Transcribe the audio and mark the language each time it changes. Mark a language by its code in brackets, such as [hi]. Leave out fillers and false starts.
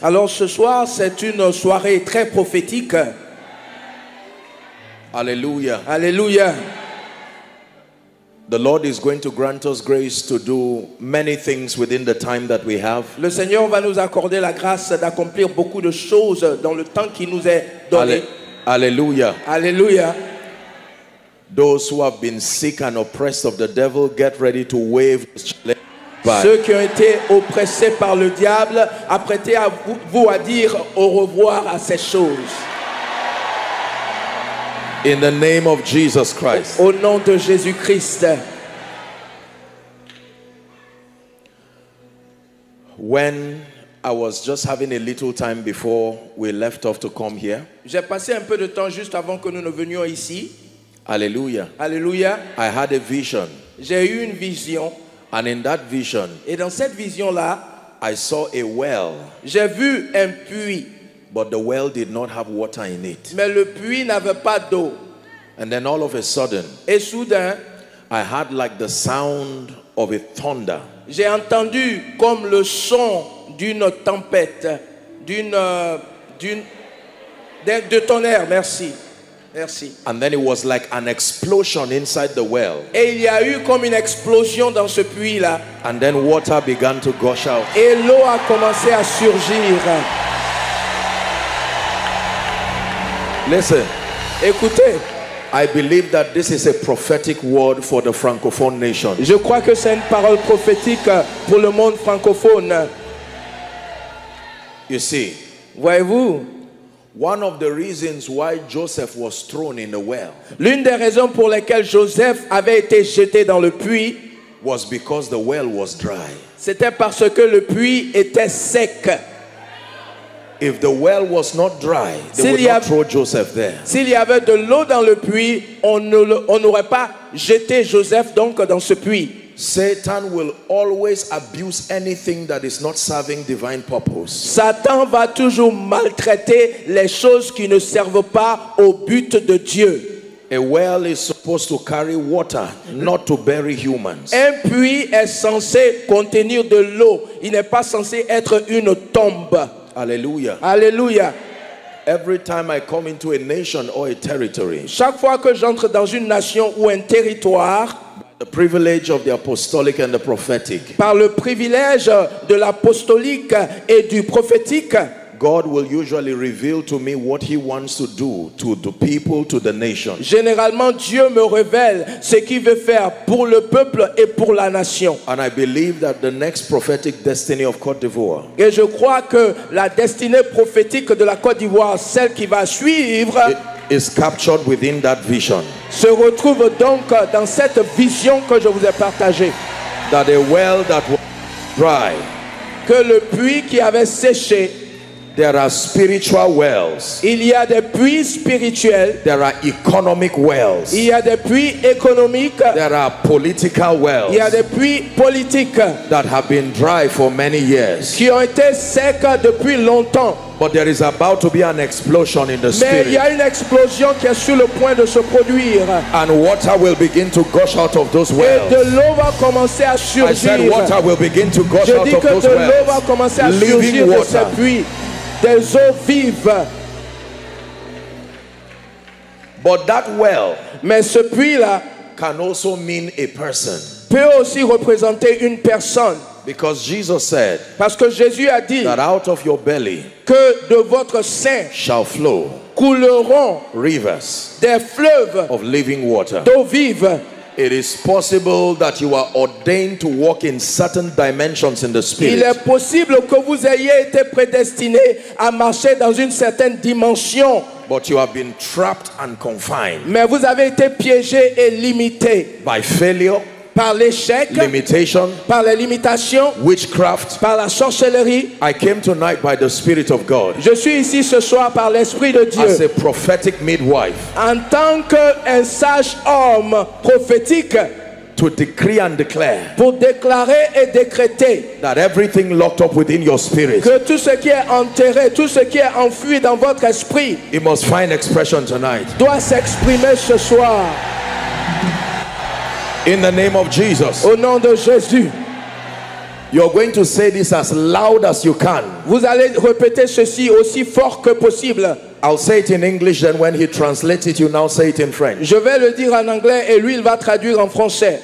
[fr] Alors ce soir, c'est une soirée très prophétique. Alleluia. Alleluia. [en] The Lord is going to grant us grace to do many things within the time that we have. [fr] Le Seigneur va nous accorder la grâce d'accomplir beaucoup de choses dans le temps qui nous est donné. Alleluia. Alleluia. [en] Those who have been sick and oppressed of the devil, get ready to wave the challenge. Bye. [fr] Ceux qui ont été oppressés par le diable, apprêtez à vous à dire au revoir à ces choses. [en] In the name of Jesus Christ. [fr] Au nom de Jésus-Christ. [en] When I was just having a little time before we left off to come here. [fr] J'ai passé un peu de temps juste avant que nous ne venions ici. Alléluia. Alléluia. [en] I had a vision. [fr] J'ai eu une vision. [en] And in that vision, [fr] et dans cette vision là, [en] I saw a well. [fr] J'ai vu un puits. [en] But the well did not have water in it. [fr] Mais le puits n'avait pas d'eau. [en] And then all of a sudden, [fr] et soudain, [en] I had like the sound of a thunder. [fr] J'ai entendu comme le son d'une tempête, de tonnerre, merci. Merci. [en] And then it was like an explosion inside the well. [fr] Et il y a eu comme une explosion dans ce puits là. [en] And then water began to gush out. [fr] Et l'eau a commencé à surgir. [en] Listen. [fr] Écoutez. [en] I believe that this is a prophetic word for the francophone nation. [fr] Je crois que c'est une parole prophétique pour le monde francophone. [en] You see. [fr] Voyez-vous? [en] One of the reasons why Joseph was thrown in the well. [fr] L'une des raisons pour lesquelles Joseph avait été jeté dans le puits [en] was because the well was dry. [fr] C'était parce que le puits était sec. [en] If the well was not dry, they would not throw Joseph there. [fr] S'il y avait de l'eau dans le puits, on n'aurait pas jeté Joseph donc dans ce puits. [en] Satan will always abuse anything that is not serving divine purpose. [fr] Satan va toujours maltraiter les choses qui ne servent pas au but de Dieu. [en] A well is supposed to carry water, not to bury humans. [fr] Un puits est censé contenir de l'eau. Il n'est pas censé être une tombe. Alléluia. Alléluia. [en] Every time I come into a nation or a territory. [fr] Chaque fois que j'entre dans une nation ou un territoire. [en] The privilege of the apostolic and the prophetic. [fr] Par le privilège de l'apostolique et du prophétique, [en] God will usually reveal to me what he wants to do to the people, to the nation. [fr] Généralement, Dieu me révèle ce qu'il veut faire pour le peuple et pour la nation. [en] And I believe that the next prophetic destiny of Côte d'Ivoire. [fr] Et je crois que la destinée prophétique de la Côte d'Ivoire, celle qui va suivre, [en] is captured within that vision. [fr] Se retrouve donc dans cette vision que je vous ai partagée. [en] That a well that was dry. [fr] Que le puits qui avait séché. [en] There are spiritual wells. [fr] Il y a des puits spirituels. [en] There are economic wells. [fr] Il y a des puits économiques. [en] There are political wells. [fr] Il y a des puits politiques. [en] That have been dry for many years. [fr] Qui ont été secs depuis longtemps. [en] But there is about to be an explosion in the [fr] Mais [en] spirit. [fr] Il y a une explosion qui est sur le point de se produire. [en] And water will begin to gush out of those wells. [fr] Et de l'eau va commencer à surgir. [en] I said water will begin to gush [fr] Je [en] out [fr] dis [en] of [fr] que [en] those wells. [fr] L'eau va commencer à [en] Living [fr] surgir [en] water. [fr] De ces puits. Des eaux vives. [en] But that well, [fr] mais ce puits là, [en] can also mean a person. [fr] Peut aussi représenter une personne. [en] Because Jesus said, [fr] parce que Jésus a dit, [en] that out of your belly, [fr] que de votre sein, [en] shall flow, [fr] couleront [en] rivers [fr] des fleuves [en] of living water. [fr] D'eau vive. [en] It is possible that you are ordained to walk in certain dimensions in the spirit. [fr] Il est possible que vous ayez été prédestiné à marcher dans une certaine dimension. [en] But you have been trapped and confined. [fr] Mais vous avez été piégé et limité. [en] By failure. [fr] Par l'échec, [en] limitation, [fr] par les limitations, [en] witchcraft, [fr] par la sorcellerie. [en] I came tonight by the Spirit of God. [fr] Je suis ici ce soir par l'Esprit de Dieu. [en] As a prophetic midwife, [fr] en tant qu'un sage homme prophétique, [en] to decree and declare, [fr] pour déclarer et décréter, [en] that everything locked up within your spirit, [fr] que tout ce qui est enterré, tout ce qui est enfoui dans votre esprit, [en] it must find expression tonight, [fr] doit s'exprimer ce soir. [en] In the name of Jesus. [fr] Au nom de Jésus. [en] You're going to say this as loud as you can. [fr] Vous allez répéter ceci aussi fort que possible. [en] I'll say it in English, then when he translates it, you now say it in French. [fr] Je vais le dire en anglais et lui il va traduire en français.